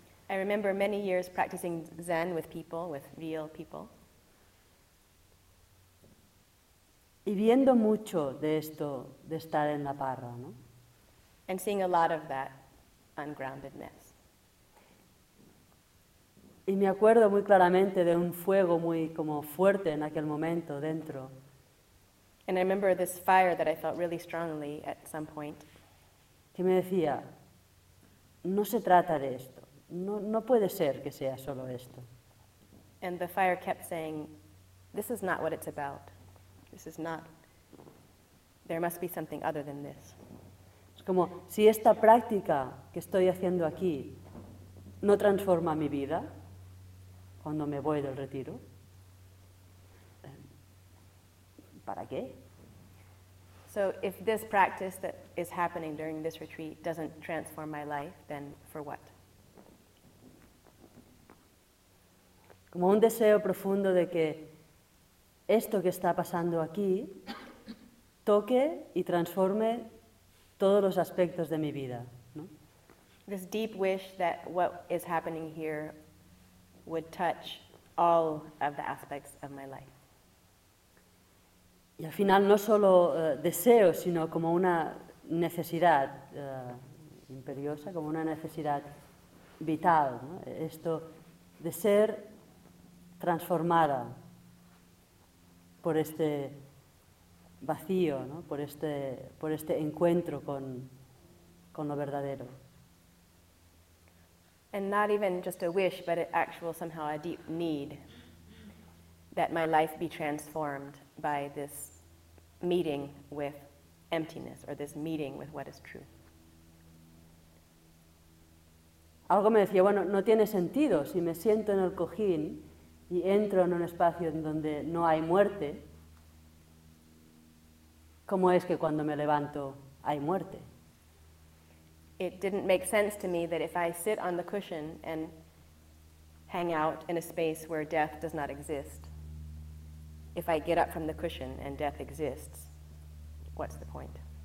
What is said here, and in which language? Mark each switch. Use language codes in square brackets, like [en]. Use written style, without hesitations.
[en] I remember many years practicing Zen with people, with real people. [es] Y viendo mucho de esto, de estar en la parra, ¿no? [en] And seeing a lot of that ungroundedness. [es] Y me acuerdo muy claramente de un fuego muy como fuerte en aquel momento dentro. [en] And I remember this fire that I felt really strongly at some point. [es] Que me decía, no se trata de esto. No puede ser que sea solo esto. [en] And the fire kept saying, this is not what it's about. This is not, there must be something other than this. [es] Es como, si esta práctica que estoy haciendo aquí no transforma mi vida cuando me voy del retiro. ¿Para qué? [en] So if this practice that is happening during this retreat doesn't transform my life, then for what? [es] Como un deseo profundo de que esto que está pasando aquí toque y transforme todos los aspectos de mi vida, ¿no? [en] This deep wish that what is happening here would touch all of the aspects of my life. [es] Y al final no solo deseo, sino como una necesidad imperiosa, como una necesidad vital, ¿no? Esto de ser transformada por este vacío, ¿no? por este encuentro con lo verdadero. [en] And not even just a wish, but an actual, somehow a deep need that my life be transformed by this meeting with emptiness, or this meeting with what is true. [es] Algo me decía, bueno, no tiene sentido si me siento en el cojín y entro en un espacio en donde no hay muerte, ¿cómo es que cuando me levanto hay muerte? [en] It didn't make sense to me that if I sit on the cushion and hang out in a space where death does not exist, if I get up from the cushion and death exists, what's the point?